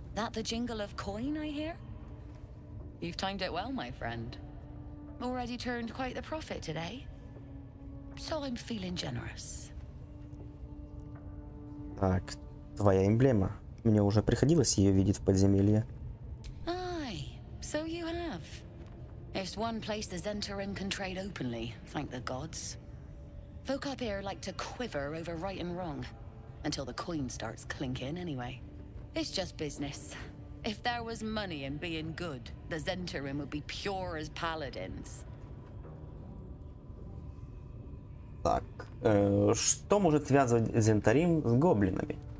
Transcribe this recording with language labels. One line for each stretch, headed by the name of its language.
English: The jingle of coin I hear? You've timed it well, my friend. Already turned quite the profit today. So I'm feeling generous.
Russian: Так, твоя эмблема. Мне уже приходилось ее видеть в подземелье.
English: Aye, so you have. It's one place the Zentarim can trade openly, thank the gods. Folk up here like to quiver over right and wrong. Until the coin starts clinking, anyway. It's just business. If there was money in being good, the Zentarim would be pure as paladins.
Russian: Так, что может связывать Зентарим с гоблинами?